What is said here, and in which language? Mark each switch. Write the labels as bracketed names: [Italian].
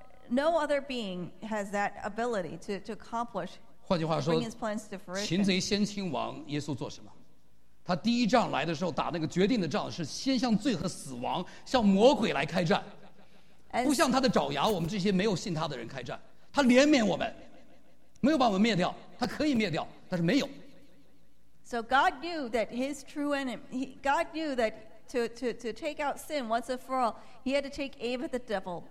[English] No other being has that ability to accomplish. [Chinese] 换句话说 [English] bring his plans to fruition. [Chinese] 擒贼先擒王，耶稣做什么？他第一仗来的时候打那个决定的仗，是先向罪和死亡、向魔鬼来开战，不向他的爪牙，我们这些没有信他的人开战。他怜悯我们，没有把我们灭掉，他可以灭掉，但是没有。 [English] So God knew that his true enemy, God knew that to take out sin once and for all, he had to take aim at the devil.